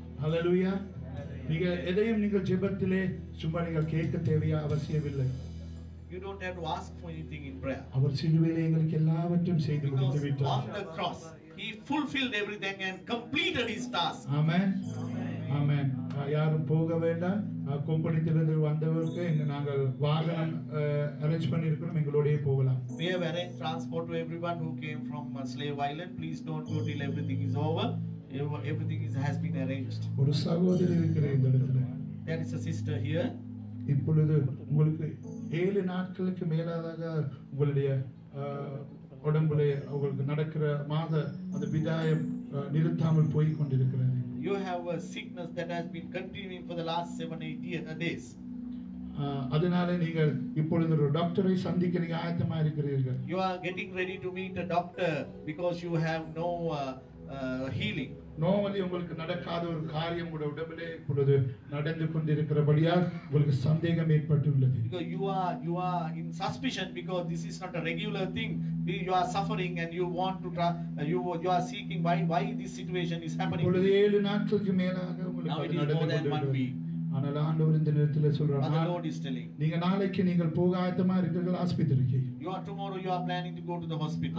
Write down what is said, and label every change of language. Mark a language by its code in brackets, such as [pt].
[ta] hallelujah நீங்க எதையும் நீங்க ஜெபத்திலே சும்மா நீங்க கேட்க தேவையா அவசியமில்லை [en] you don't have to ask for anything in prayer. [ta] அவர் சிலுவையிலே எங்களுக்கு எல்லாவற்றையும் செய்து முடித்து விட்டார். [en] On the cross, he fulfilled everything and completed his task. [ta] Amen. Amen. யாரும் போக வேண்டாம். கொம்படித்திலிருந்து வந்தவருக்கு நாங்கள் வாகனம் அரேஞ்ச் பண்ணிருக்கிறோம், எங்களோடய போகலாம். [en] We have arranged transport to everyone who came from Slave Island. Please don't go till everything is over. Everything has been arranged. [ta] ஒரு சகோதரி இருக்கிற இந்த இடத்துல. [en] There is a sister here. [ta] இப்பொழுது உங்களுக்கு 7 நாட்களுக்கு மேலாக உங்களுடைய உடம்புல உங்களுக்கு நடக்கிற மாத அந்த விதாயம் நிறுத்தாமல் போய் கொண்டிருக்கிறது. [en] You have a sickness that has been continuing for the last 7-8 days. [ta] அதனாலே நீங்கள் இப்பொழுது ஒரு டாக்டரை சந்திக்க நீங்க ஆயத்தமா இருக்கிறீர்கள். [en] You are getting ready to meet a doctor because you have no healing. [ta] நோவலி உங்களுக்கு நடக்காத ஒரு காரியம் கூட உடம்பிலே இப்பொழுது நடந்து கொண்டிருக்கிறபடியால் உங்களுக்கு சந்தேகம் ஏற்பட்டுள்ளது. [en] You are in suspicion because this is not a regular thing. You are suffering and you want to you are seeking why this situation is happening. [ta] இப்பொழுது 7 நாட்களுக்கு மேலாக உங்களுக்கு நடந்து கொண்டிருக்கிறது. ஆனால் ஆண்டவர் இந்த நேரத்தில் சொல்றார், நீங்க நாளைக்கு நீங்கள் போக ஆயத்தமா இருக்கிறீர்கள் ஆஸ்பத்திரிக்கு. [en] You are tomorrow you are planning to go to the hospital.